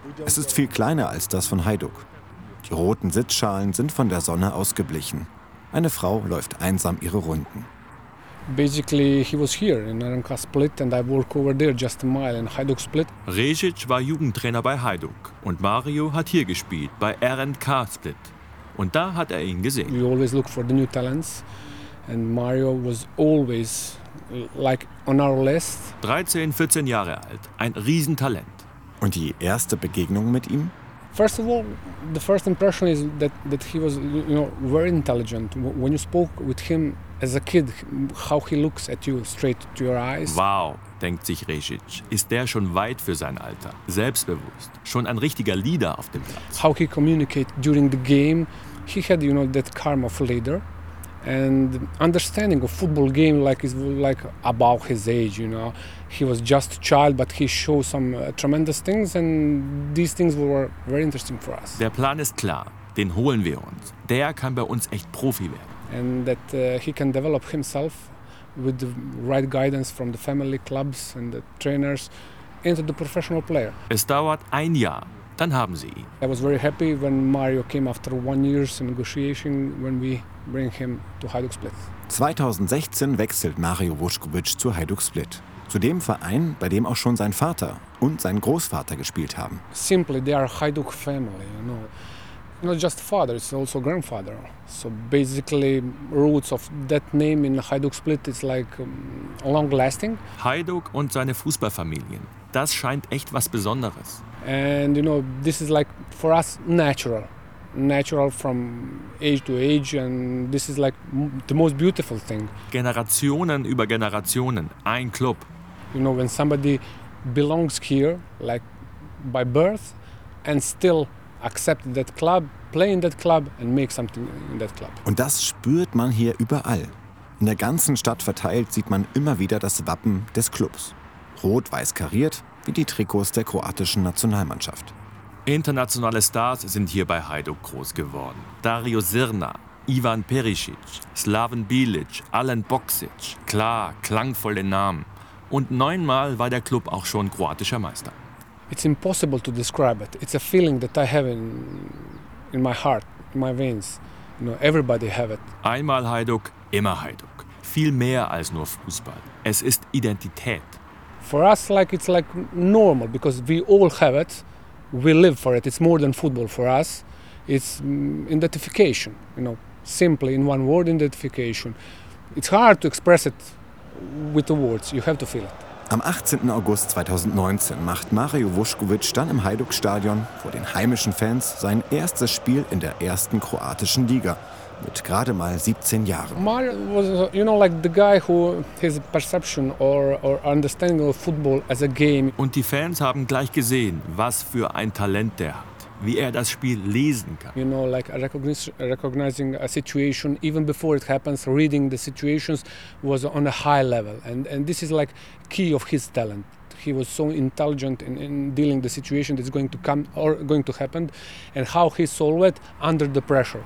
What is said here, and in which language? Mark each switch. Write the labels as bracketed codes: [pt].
[de] Es ist viel kleiner als das von Hajduk. Die roten Sitzschalen sind von der Sonne ausgeblichen. Eine Frau läuft einsam ihre Runden. [en] Basically, he was here in RNK Split and I work over there just a mile in Hajduk Split. [de] Rešić war Jugendtrainer bei Hajduk und Mario hat hier gespielt bei RNK Split. Und da hat er ihn gesehen. [en] We always look for the new talents and Mario was always like on our list. [de] 13, 14 Jahre alt, ein Riesentalent. Und die erste Begegnung mit ihm? [en] First of all, the first impression is that he was, you know, very intelligent. When you spoke with him as a kid, how he looks at you straight to your eyes. [de] Wow, denkt sich Rešić, ist der schon weit für sein Alter, selbstbewusst, schon ein richtiger Leader auf dem Platz. [en] How he communicate during the game, he had, you know, that charm of leader and understanding of football game like is like about his age, you know. He was just a child, but he showed some tremendous things and these things were very interesting for us. [de] Der Plan ist klar, den holen wir uns. Der kann bei uns echt Profi werden. [en] And that he can develop himself with the right guidance from the family, clubs and the trainers into the professional player. [de] Es dauert ein Jahr, dann haben sie ihn. [en] I was very happy when Mario came after 1 year's negotiation when we bring him to Hajduk Split. [de] 2016 wechselt Mario Vučković zu Hajduk Split, zu dem Verein, bei dem auch schon sein Vater und sein Großvater gespielt haben. [en] Simply they are Hajduk family, you know. Not just father, it's also grandfather. So basically, roots of that name in Hajduk Split is like long-lasting. [de] Hajduk und seine Fußballfamilien, das scheint echt was Besonderes. [en] And you know, this is like for us natural. Natural from age to age and this is like the most beautiful thing. [de] Generationen über Generationen, ein Club. [en] You know, when somebody belongs here, like by birth and still accept that club, play in that club and make something in that club. [de] Und das spürt man hier überall. In der ganzen Stadt verteilt sieht man immer wieder das Wappen des Clubs. Rot-weiß kariert, wie die Trikots der kroatischen Nationalmannschaft. Internationale Stars sind hier bei Hajduk groß geworden. Dario Zirna, Ivan Perisic, Slaven Bilic, Alan Boksic. Klar, klangvolle Namen. Und 9-mal war der Club auch schon kroatischer Meister. [en] It's impossible to describe it. It's a feeling that I have in my heart, in my veins. You know, everybody have it. [de] Einmal Hajduk, immer Hajduk. Viel mehr als nur Fußball. Es ist Identität. [en] For us, like, it's like normal, because we all have it. We live for it. It's more than football for us. It's identification, you know, simply in one word, identification. It's hard to express it with the words. You have to feel it. [de] Am 18. August 2019 macht Mario Vučković dann im Hajduk-Stadion vor den heimischen Fans sein erstes Spiel in der ersten kroatischen Liga mit gerade mal 17 Jahren. [en] Mario was, you know, like the guy who his perception or understanding of football as a game. [de] Und die Fans haben gleich gesehen, was für ein Talent der hat, wie er das Spiel lesen kann. [en] You know, like recognizing a situation even before it happens, reading the situations was on a high level and this is like key of his talent. He was so intelligent in dealing the situation that's going to come or going to happen and how he solved it under the pressure.